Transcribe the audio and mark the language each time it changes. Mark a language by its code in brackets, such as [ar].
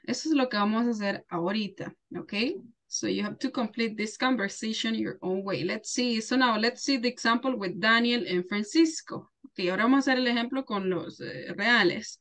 [es] Eso es lo que vamos a hacer ahorita. Okay? [en] So you have to complete this conversation your own way. Let's see. So now let's see the example with Daniel and Francisco. [es] Okay, ahora vamos a hacer el ejemplo con los reales.